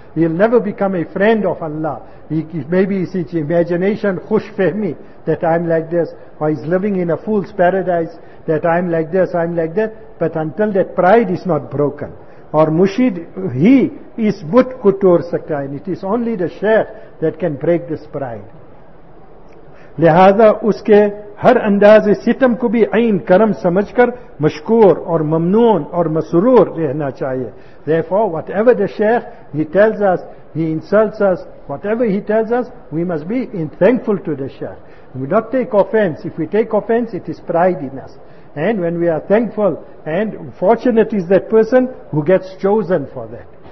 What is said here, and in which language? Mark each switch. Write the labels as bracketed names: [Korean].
[English] He'll never become a friend of Allah. Maybe it's his imagination, khush fehmi, that I'm like this, or he's living in a fool's paradise, that I'm like this, I'm like that. But until that pride is not broken, or mushid, he is but kutur sakta, and it is only the shaykh that can break this pride. [Urdu] لہذا اس کے ہر انداز ستم کو بھی عین کرم سمجھ کر مشکور اور ممنون اور مسرور رہنا چاہیے. [English] Therefore, whatever the shaykh, he tells us, he insults us, whatever he tells us, we must be in thankful to the shaykh. We not take offense. If we take offense, it is pride in us. And when we are thankful, and fortunate is that person who gets chosen for that.